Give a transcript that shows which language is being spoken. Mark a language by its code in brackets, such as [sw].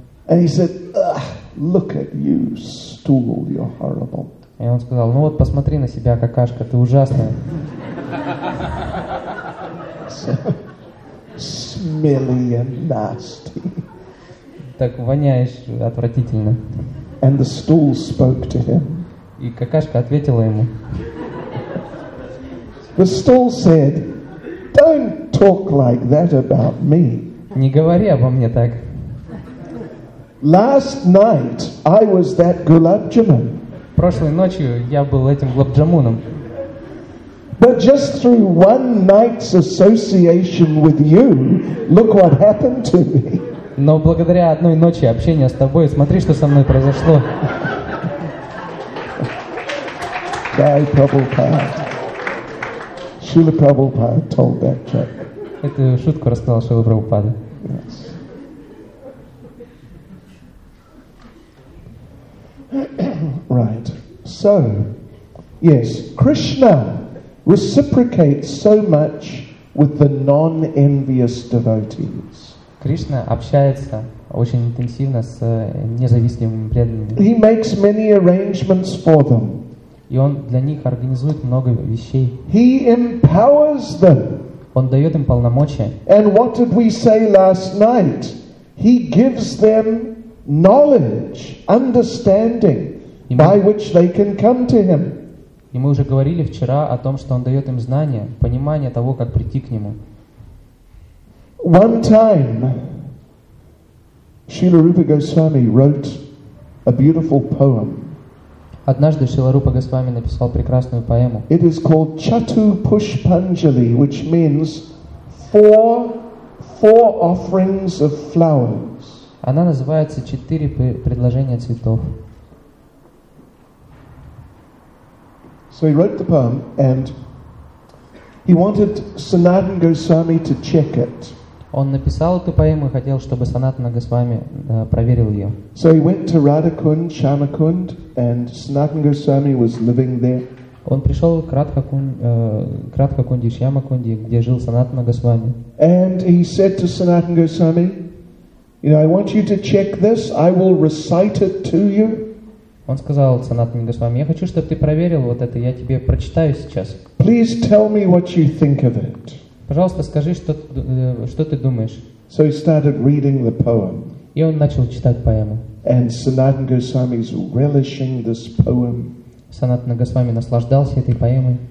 [en] And he said, "Ugh, look at you, stool, you're horrible." [ru] И он сказал: "Ну вот посмотри на себя, какашка, ты ужасная." [en] So, smelly and nasty. [ru] Так воняешь отвратительно. [en] And the stool spoke to him. [ru] И какашка ответила ему. [en] The stool said, "Don't talk like that about me." [ru] Не говори обо мне так. [en] Last night I was that gulab jamun. [ru] Прошлой ночью я был этим глобджамуном. [en] But just through one night's association with you, look what happened to me. [ru] Но благодаря одной ночи общения с тобой, смотри, что со мной произошло. [en] Jai Prabhupada. Srila Prabhupada told that joke. [ru] Эту шутку рассказал Шрила Прабхупада. [en] Yes. Right. So, yes, Krishna reciprocates so much with the non-envious devotees. [ru] Кришна общается очень интенсивно с независимыми преданными. [en] He makes many arrangements for them. [ru] И он для них организует много вещей. [en] He empowers them. [ru] Он дает им полномочия. [en] And what did we say last night? He gives them knowledge, understanding, by which they can come to him. [ru] И мы уже говорили вчера о том, что он дает им знания, понимание того, как прийти к нему. [en] One time, Srila Rupa Goswami wrote a beautiful poem. [ru] Однажды Шрила Рупа Госвами написал прекрасную поэму. [en] It is called Chatu Pushpanjali, which means four offerings of flowers. [ru] Она называется четыре предложения цветов. [en] So he wrote the poem, and he wanted Sanatan Goswami to check it. [ru] Он написал эту поэму и хотел, чтобы Санатана Госвами проверил ее. [en] So he went to Radhakund, Chanakund, and Sanatana Goswami was living there. [ru] Он пришел к Радхакунде, Шьямакунде, где жил Санатана Госвами. [en] And he said to Sanatana Goswami, "You know, I want you to check this. I will recite it to you." [ru] Он сказал Санатане Госвами: "Я хочу, чтобы ты проверил вот это. Я тебе прочитаю сейчас." [en] Please tell me what you think of it. [ru] Пожалуйста, скажи, что ты думаешь. [en] So he started reading the poem. [ru] И он начал читать поэму. [en] And Sanatana Goswami is relishing this poem. [ru] Санатана Госвами наслаждался этой поэмой.